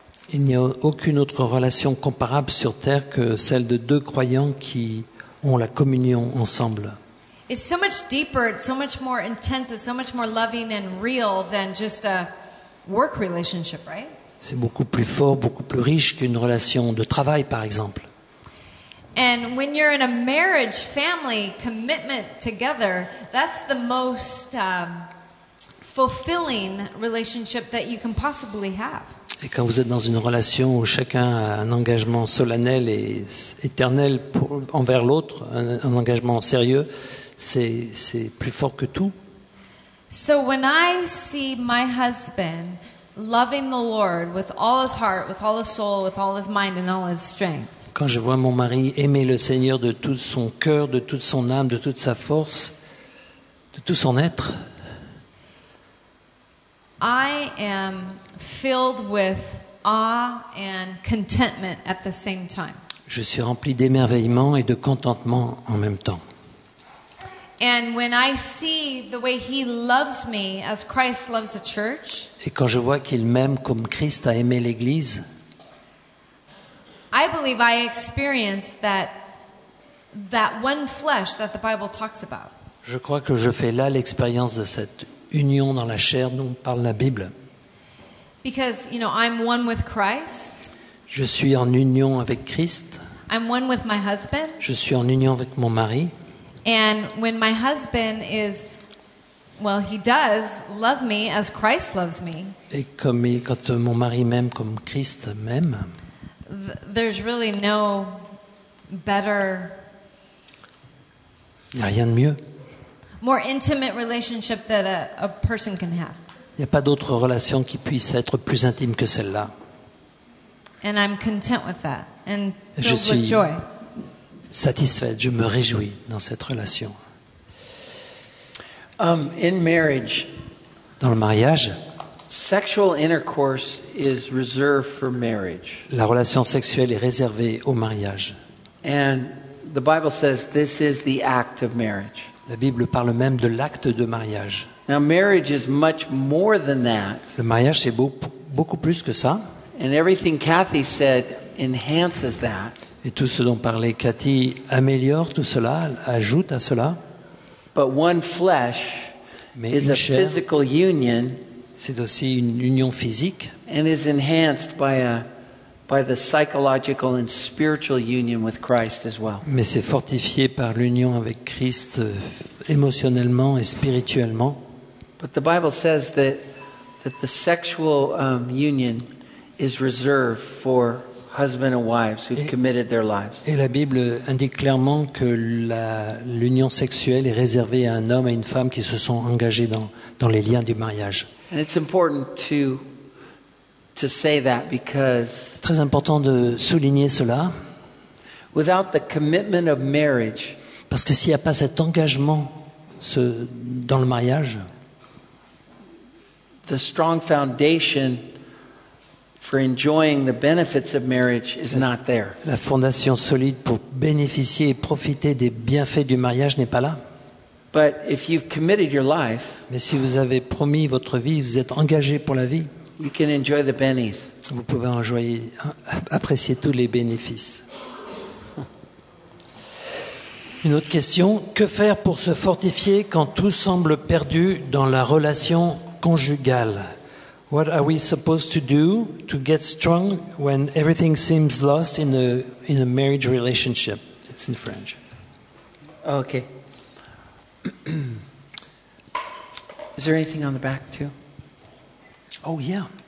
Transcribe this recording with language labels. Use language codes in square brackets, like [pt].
[fr] Il n'y a aucune autre relation comparable sur terre que celle de deux croyants qui ont la communion ensemble. [en] It's so much deeper, it's so much more intense, it's so much more loving and real than just a work relationship, right? [fr] C'est beaucoup plus fort, beaucoup plus riche qu'une relation de travail, par exemple. [en] And when you're in a marriage family commitment together, that's the most fulfilling relationship that you can possibly have. [fr] Et quand vous êtes dans une relation où chacun a un engagement solennel et éternel pour, envers l'autre, un engagement sérieux, c'est plus fort que tout. [en] So when I see my husband loving the Lord with all his heart, with all his soul, with all his mind and all his strength. [fr] Quand je vois mon mari aimer le Seigneur de tout son cœur, de toute son âme, de toute sa force, de tout son être. [en] I am filled with awe and contentment at the same time. [fr] Je suis rempli d'émerveillement et de contentement en même temps. [en] And when I see the way he loves me as Christ loves the church, [fr] et quand je vois qu'il m'aime comme Christ a aimé l'église, [en] I believe I experience that one flesh that the Bible talks about. [fr] Je crois que je fais là l'expérience de cette union dans la chair dont parle la Bible. [en] Because, you know, I'm one with Christ. [fr] Je suis en union avec Christ. [en] I'm one with my husband. [fr] Je suis en union avec mon mari. [en] And when my husband is, well, he does love me as Christ loves me. [fr] Et quand mon mari m'aime comme Christ m'aime. [en] There's really no better. [fr] Il n'y a rien de mieux. [en] More intimate relationship that a person can have. [fr] Il n'y a pas d'autre relation qui puisse être plus intime que celle-là. [en] And I'm content with that. And [fr] je suis [en] with joy. [fr] Satisfaite, je me réjouis dans cette relation. [en] In marriage, [fr] dans le mariage, [en] sexual intercourse is reserved for marriage. [fr] La relation sexuelle est réservée au mariage. [en] And the Bible says this is the act of marriage. [fr] La Bible parle même de l'acte de mariage. [en] Now marriage is much more than that. [fr] Le mariage c'est beaucoup plus que ça. [en] And everything Kathy said enhances that. [fr] Et tout ce dont parlait Cathy améliore tout cela, ajoute à cela. [en] But one flesh [fr] Mais [en] is a [fr] chair, [en] physical union. [fr] C'est aussi une union physique. [en] And is enhanced by the psychological and spiritual union with Christ as well. [fr] Mais c'est fortifié par l'union avec Christ émotionnellement et spirituellement. [en] But the Bible says that the sexual union is reserved for husband and wives who've committed their lives. [fr] Et la Bible indique clairement que l'union sexuelle est réservée à un homme et une femme qui se sont engagés dans les liens du mariage. [en] And it's important to say that because [fr] très important de souligner cela. [en] Without the commitment of marriage, [fr] parce que s'il n'y a pas cet engagement dans le mariage, [en] the strong foundation for enjoying the benefits of marriage is not there. [fr] La fondation solide pour bénéficier et profiter des bienfaits du mariage n'est pas là. [en] But if you've committed your life, [fr] mais si vous avez promis votre vie, vous êtes engagé pour la vie, [en] you can enjoy the bennies. [fr] Vous pouvez apprécier tous les bénéfices. Une autre question, que faire pour se fortifier quand tout semble perdu dans la relation conjugale? [en] What are we supposed to do to get strong when everything seems lost in a marriage relationship? It's in French. Okay. Is there anything on the back too? Oh yeah.